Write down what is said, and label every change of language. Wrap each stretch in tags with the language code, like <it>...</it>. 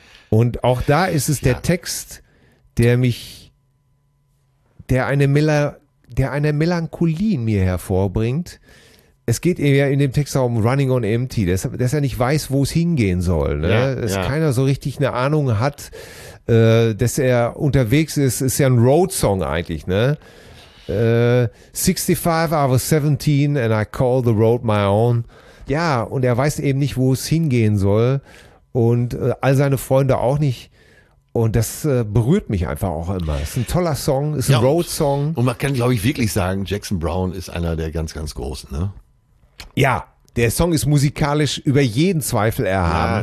<de>Und auch da ist es der Text, der eine Melancholie in mir hervorbringt. Es geht ja in dem Text darum, Running on Empty, dass er nicht weiß, wo es hingehen soll. Ne? Ja, dass ja. keiner so richtig eine Ahnung hat, dass er unterwegs ist. Ist ja ein Road-Song eigentlich. Ne?</de> <en>65, I was 17 and I call the road my own.</en> <de>Ja, und er weiß eben nicht, wo es hingehen soll. Und all seine Freunde auch nicht. Und das berührt mich einfach auch immer. Es ist ein toller Song, es ist ein Road-Song. Und man kann, glaube ich, wirklich sagen, Jackson Browne ist einer der ganz, ganz Großen. Ne? Ja, der Song ist musikalisch über jeden Zweifel erhaben.</de>